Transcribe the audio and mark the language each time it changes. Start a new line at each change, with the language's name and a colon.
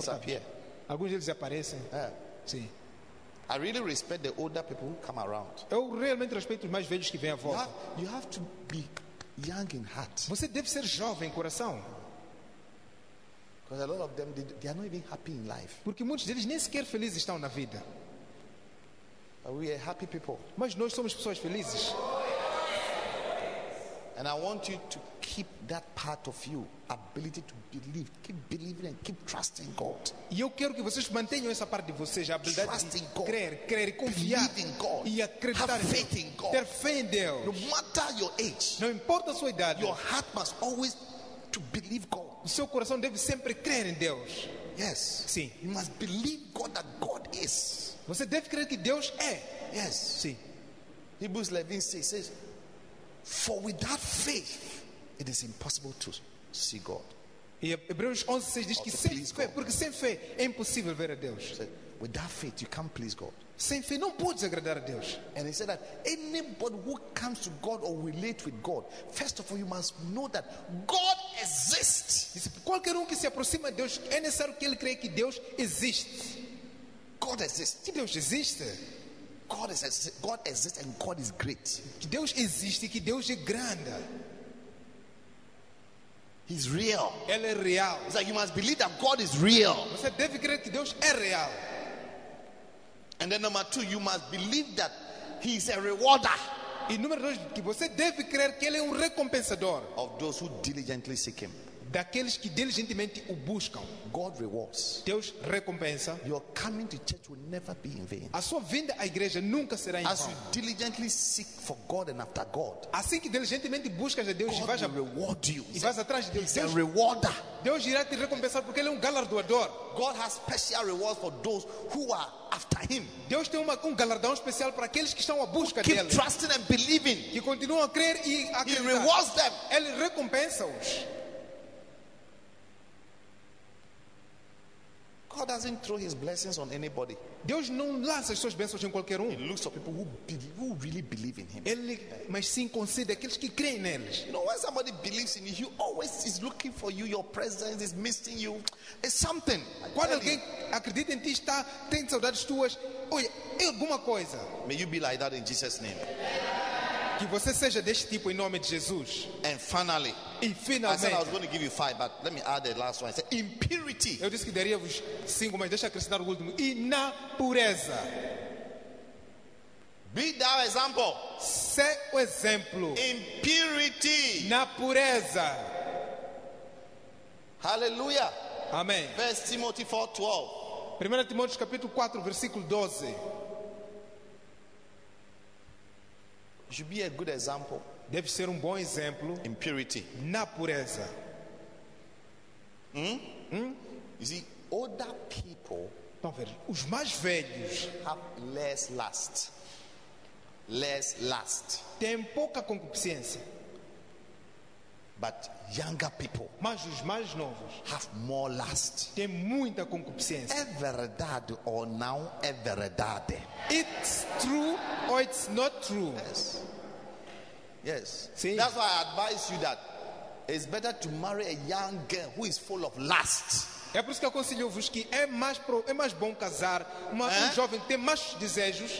English: Disappear.
Portuguese: Alguns deles desaparecem.
English: Yeah.
Portuguese: Sim.
English: I really respect the older people who come around.
Portuguese: Eu realmente respeito os mais velhos que vêm à volta.
English: You have to be young in heart.
Portuguese: Você deve ser jovem em coração.
English: Because a lot of them, they are not even happy in life.
Portuguese: Porque muitos deles nem sequer felizes estão na vida.
English: But we are happy people.
Portuguese: Mas nós somos pessoas felizes.
English: And I want you to keep that part of you, ability to believe, keep believing and keep trusting God.
Portuguese: E eu quero que vocês mantenham essa parte de vocês, a habilidade
English: trusting
Portuguese: de crer,
English: God.
Portuguese: Crer e confiar.
English: Believe in God.
Portuguese: E acreditar.
English: Have faith in God.
Portuguese: Ter fé em Deus.
English: No matter your age.
Portuguese: Não importa a sua idade.
English: Your heart must always to believe God.
Portuguese: O seu coração deve sempre crer em Deus.
English: Yes.
Portuguese: Sim.
English: You must believe God that God is.
Portuguese: Você deve crer que Deus é.
English: Yes.
Portuguese: Sim.
English: Hebrews 11 says, for without faith, it is impossible to see God.
Portuguese: E Hebreus 11
English: says,
Portuguese: diz que sem fé, porque sem fé é impossível ver a Deus.
English: So, without faith, you can't please God.
Portuguese: Sem fé não podes agradar a Deus.
English: And he said that anybody who comes to God or relate with God, first of all, you must know that God exists.
Portuguese: Disse, qualquer que se aproxima de Deus, é necessário que ele creia que Deus existe.
English: God exists.
Portuguese: Que Deus existe.
English: God exists and God is great.
Portuguese: Deus existe e que Deus é grande.
English: He's real.
Portuguese: Ele é real.
English: It's like you must believe that God is real.
Portuguese: Você deve crer que Deus é real.
English: And then number two, you must believe that He is a rewarder.
Portuguese: E número dois, que você deve crer que Ele é recompensador.
English: Of those who diligently seek Him.
Portuguese: Daqueles que diligentemente o buscam.
English: God rewards.
Portuguese: Deus recompensa.
English: Your coming to church will never be in vain.
Portuguese: A sua vinda à igreja nunca será em vão.
English: As you diligently seek for God and after God.
Portuguese: Assim que diligentemente buscas a Deus,
English: God
Portuguese: vai
English: will reward you.
Portuguese: E vais atrás de Deus.
English: He's a rewarder.
Portuguese: Deus irá te recompensar porque Ele é galardoador.
English: God has special rewards for those who are after Him.
Portuguese: Deus tem galardão especial para aqueles que estão à busca dele.
English: Keep trusting and believing.
Portuguese: Que continuam a crer e a
English: He rewards them.
Portuguese: Ele recompensa-os.
English: God doesn't throw His blessings on anybody.
Portuguese: Deus não lança as suas bênçãos em qualquer
English: He looks for people who really believe in Him.
Portuguese: Ele, mas sim, concede aqueles que creem nele.
English: You know, when somebody believes in you, He always is looking for you. Your presence is missing you. It's something.
Portuguese: Quando alguém acredita em ti, está tem saudades tuas. Oi, é alguma coisa.
English: May you be like that in Jesus' name.
Portuguese: Que você seja deste tipo em nome de Jesus.
English: And finally,
Portuguese: e finalmente,
English: I said I was going to give you five, but let me add the last one. I said impurity.
Portuguese: Eu disse que daria-vos cinco, mas deixa acrescentar o último. Inapureza.
English: Be thou example.
Portuguese: Se o exemplo.
English: Impurity.
Portuguese: Na pureza.
English: Hallelujah.
Portuguese: Amém. 1 Timóteo 4:12. 1 Timóteo capítulo 4, versículo 12.
English: Should be a good example.
Portuguese: Deve ser bom exemplo.
English: In purity.
Portuguese: Na pureza.
English: You see, older people.
Portuguese: Estão ver, os mais velhos.
English: Have less lust. Less lust.
Portuguese: Tem pouca concupiscência.
English: But younger people.
Portuguese: Mas os mais novos.
English: Have more lust.
Portuguese: Tem muita concupiscência. É verdade ou não é verdade?
English: It's true or it's not true? Yes. Yes.
Portuguese: Sim.
English: That's why I advise you that it's better to marry a young girl who is full of lust.
Portuguese: É por isso que aconselho-vos que é mais bom casar uma jovem que tem mais desejos.